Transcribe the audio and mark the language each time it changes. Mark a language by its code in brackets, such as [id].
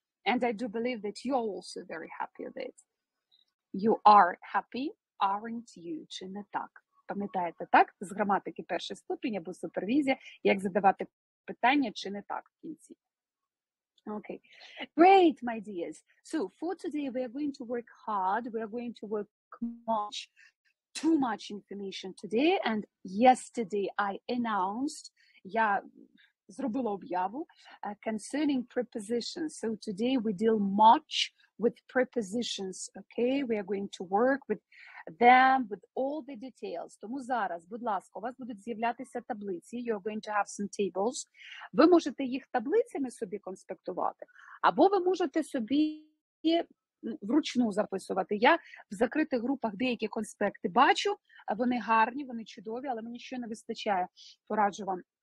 [en] And I do believe that you're also very happy of it. You are happy, aren't you, [uk] чи не так? Пам'ятаєте, так? З граматики перший ступінь або супервізія, як задавати питання, чи не так в кінці. [en] Okay. Great, my dears. So, for today we are going to work hard, we are going to work much, too much information today, and yesterday I announced, [uk] я зробила об'яву, [en] concerning prepositions. So, today we deal much with prepositions, okay? We are going to work with them, with all the details. [uk] Тому зараз, будь ласка, у вас будуть з'являтися таблиці. [en] You're going to have some tables. [uk] Ви можете їх таблицями собі конспектувати, або ви можете собі вручну записувати. Я в закритих групах деякі конспекти бачу, вони гарні, вони чудові, але мені ще не вистачає, пораджу вам.